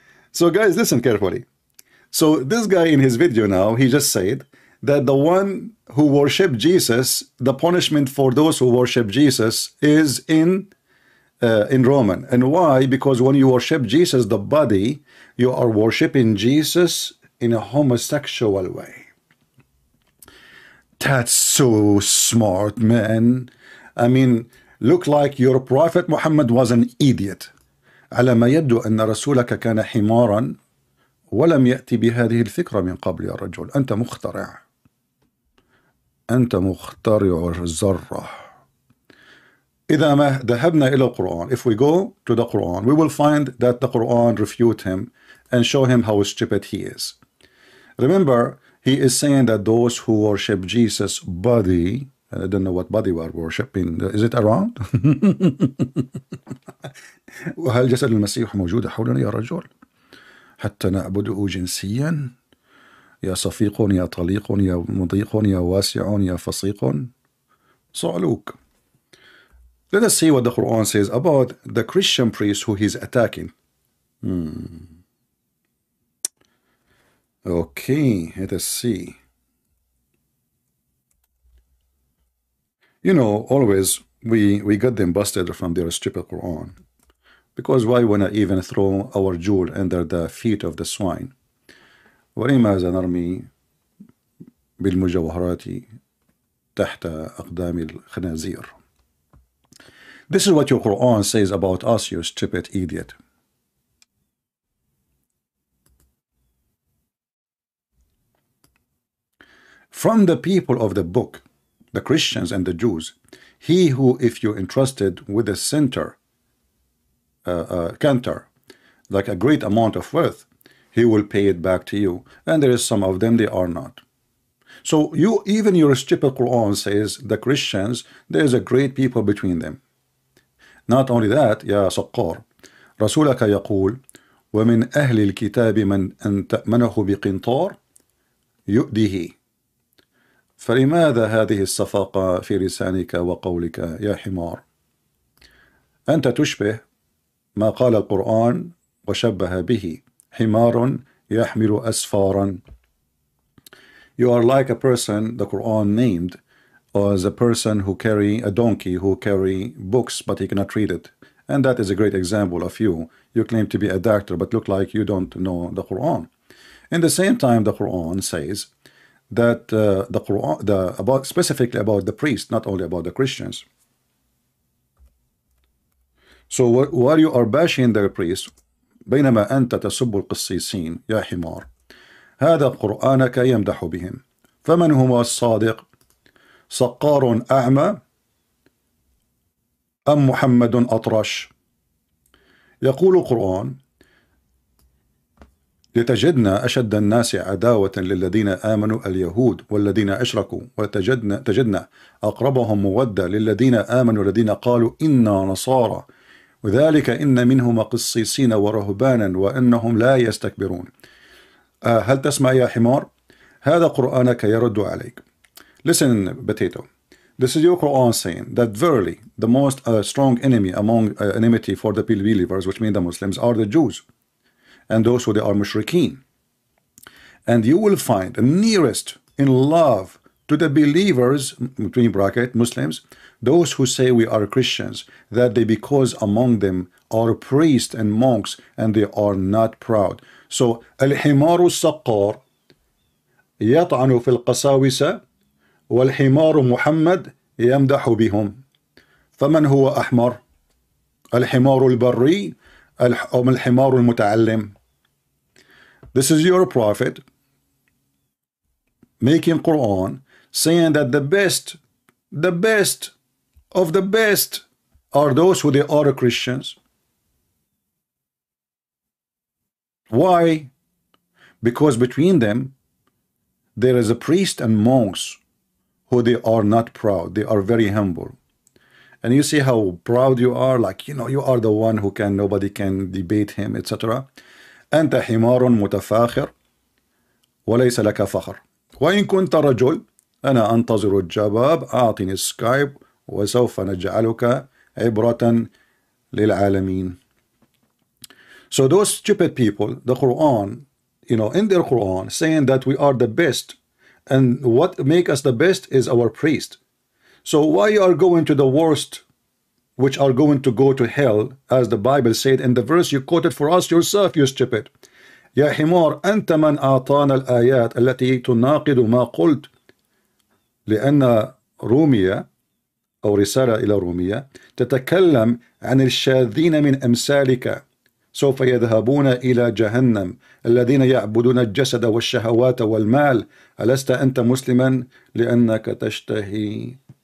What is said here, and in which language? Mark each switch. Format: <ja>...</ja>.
<en>So guys, listen carefully. So this guy in his video now, he just said that the one who worship Jesus, the punishment for those who worship Jesus is in Roman. And why? Because when you worship Jesus, the body, you are worshiping Jesus in a homosexual way. That's so smart, man. I mean, look like your prophet Muhammad was an idiot.</en> <ar>على ما يبدو أن رسولك كان حمارا ولم يأتي بهذه الفكرة من قبل يا رجل. أنت مخترع. أنت مخترع الزرة. إذا ما ذهبنا إلى القرآن,</ar> <en>if we go to the Quran, we will find that the Quran refute him and show him how stupid he is. Remember, he is saying that those who worship Jesus' body, I don't know what body we are worshiping, is it around?</en> <ar>وهل جسد المسيح موجود حولنا يا رجل؟ حتى نعبده جنسياً؟ يا صفيق يا طليق يا مضيق يا واسع يا فصيق صعلوك.</ar> <en>Let us see what the Quran says about the Christian priest who he's attacking. Okay, let us see. You know, always we got them busted from their stupid Quran. Because why wanna even throw our jewel under the feet of the swine?</en> <ar>ولماذا نرمي بالمجوهرات تحت أقدام الخنازير؟</ar> <en>This is what your Quran says about us, you stupid idiot. From the people of the book, the Christians and the Jews, he who, if you entrusted with a center, cantor, like a great amount of wealth, he will pay it back to you. And there is some of them, they are not. So you, even your stupid Quran says the Christians, there is a great people between them. Not only that,</en> <ar>يا سقار رسولك يقول ومن أهل الكتاب من أن تأمنه بقنطار يؤديه فلماذا هذه الصفاقة في لسانك وقولك يا حمار أنت تشبه ما قال القرآن وشبه به حمار يحمل أسفارا.</ar> <en>You are like a person the Quran named, or as a person who carry a donkey, who carry books, but he cannot read it. And that is a great example of you. You claim to be a doctor, but look like you don't know the Quran. In the same time, the Quran says that the Quran, the about specifically about the priest, not only about the Christians. So while you are bashing the priest,</en> <ar>بينما أنت تسب القصيصين يا حمار هذا قرآنك يمدح بهم فمن هو الصادق سقار أعمى أم محمد أطرش يقول القرآن لتجدنا أشد الناس عداوة للذين آمنوا اليهود والذين أشركوا وتجدنا أقربهم مودة للذين آمنوا الذين قالوا إنا نصارى وذلك إن منهم قصيصين ورهبانا وأنهم لا يستكبرون هل تسمع يا حمار؟ هذا قرآنك يرد عليك.</ar> <en>Listen, potato. This is your Quran saying that verily the most strong enemy among enmity for the believers, which mean the Muslims, are the Jews and those who they are mushrikeen. And you will find the nearest in love to the believers, between bracket, Muslims, those who say we are Christians, that they because among them are priests and monks and they are not proud.</en> <ar>So الحمار السقار يطعن في القساوسة والحمار محمد يمدح بهم فمن هو أحمر الحمار البري أم الحمار المتعلم.</ar> <en>This is your prophet making Quran saying that the best of the best are those who they are Christians. Why? Because between them there is a priest and monks who they are not proud, they are very humble. And you see how proud you are, like, you know, you are the one who can, nobody can debate him, etc.</en> <ar>أنت حمار متفاخر وليس لك فخر وإن كنت رجل أنا أنتظر الجواب أعطني السكايب وسوف نجعلك عبرة للعالمين.</ar> <en>So those stupid people, the Quran, you know, in their Quran, saying that we are the best, and what make us the best is our priest. So why you are going to the worst, which are going to go to hell, as the Bible said in the verse you quoted for us yourself, you stupid.</en> <ar>يا حمار أنت من أعطانا الآيات التي تناقض ما قلت لأن رومية أو رسالة إلى رومية تتكلم عن الشاذين من أمثالك سوف يذهبون إلى جهنم الذين يعبدون الجسد والشهوات والمال ألست أنت مسلما لأنك تشتهي</ar>